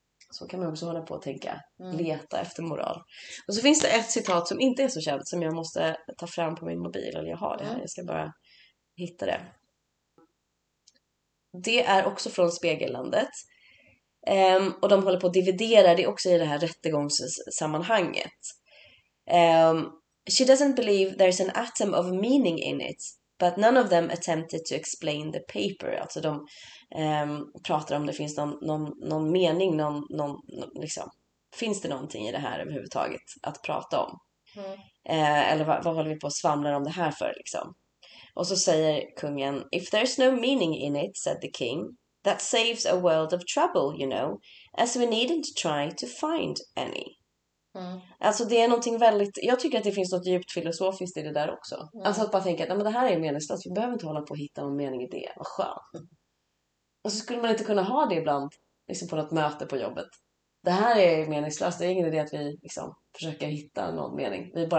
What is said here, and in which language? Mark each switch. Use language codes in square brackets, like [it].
[sv] Så kan man också hålla på att tänka, leta efter moral. Och så finns det ett citat som inte är så känt, som jag måste ta fram på min mobil, eller jag har det här, jag ska bara hitta det. Det är också från Spegellandet. Och de håller på att dividera, det är också i det här rättegångssammanhanget. [en] She doesn't believe there's an atom of meaning in it, but none of them attempted to explain the paper. [sv] Alltså de pratar om det finns någon mening, någon, liksom, finns det någonting i det här överhuvudtaget att prata om? Eller vad håller vi på att svamla om det här för? Liksom? Och så säger kungen, [en] if there's no meaning in it, said the king, that saves a world of trouble, you know, as we needn't try to find any. [sv] Alltså det är någonting väldigt, jag tycker att det finns något djupt filosofiskt i det där också. Alltså att bara tänka att, nej, men det här är meningslöst, vi behöver inte hålla på att hitta någon mening i det, vad skönt. Och så skulle man inte kunna ha det ibland, liksom på något möte på jobbet. Det här är ju meningslöst. Det är ingen idé att vi liksom försöker hitta någon mening.